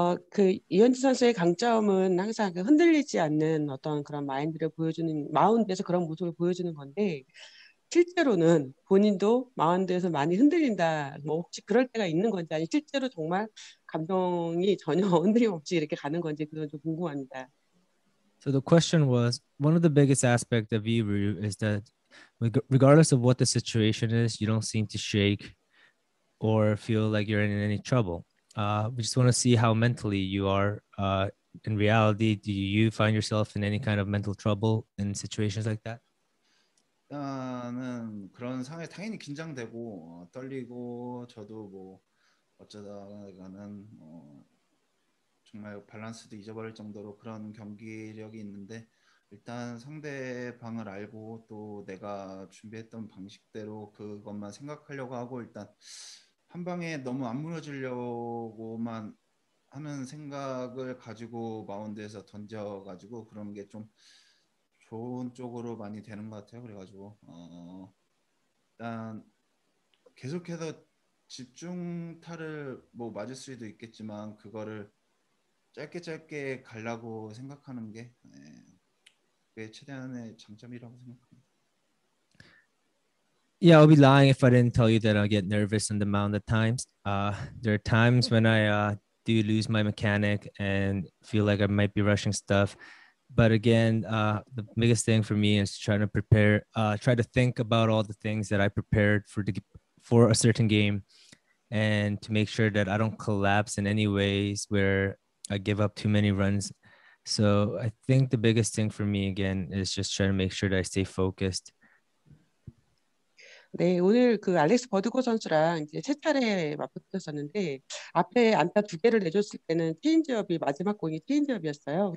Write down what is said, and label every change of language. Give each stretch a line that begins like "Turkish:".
Korean: 그 이현주 선수의 강점은 항상 그 흔들리지 않는 어떤 그런 마인드를 보여주는 마운드에서 그런 모습을 보여주는 건데 실제로는 본인도 마운드에서 많이 흔들린다. 뭐 혹시 그럴 때가 있는 건지 아니 실제로 정말 감정이 전혀 흔들림 없이 이렇게 가는 건지 그건 좀 궁금합니다.
English: So the question was, one of the biggest aspects of Yiru is that regardless of what the situation is, you don't seem to shake or feel like you're in any trouble. We just want to see how mentally you are. In reality, do you find yourself in any kind of mental trouble in situations like that?
Korean: 일단은 그런 상황에 당연히 긴장되고 떨리고 저도 뭐 어쩌다가는 정말 밸런스도 잊어버릴 정도로 그런 경기력이 있는데 일단 상대방을 알고 또 내가 준비했던 방식대로 그것만 생각하려고 하고 일단 한 방에 너무 안 무너지려고만 하는 생각을 가지고 마운드에서 던져가지고 그런 게 좀 좋은 쪽으로 많이 되는 것 같아요. 그래가지고 일단 계속해서 집중타를 뭐 맞을 수도 있겠지만 그거를 짧게 짧게 가려고 생각하는 게 네, 그게 최대한의 장점이라고 생각합니다.
English: Yeah, I'll be lying if I didn't tell you that I get nervous on the mound at times. There are times when I do lose my mechanic and feel like I might be rushing stuff. But again, the biggest thing for me is trying to prepare, try to think about all the things that I prepared for a certain game and to make sure that I don't collapse in any ways where I give up too many runs. So I think the biggest thing for me, again, is just trying to make sure that I stay focused.
Korean: 네, 오늘 그 알렉스 버드코 선수랑 이제 세 차례 맞붙었었는데 앞에 안타 두 개를 내줬을 때는 체인지업이 마지막 공이 체인지업이었어요.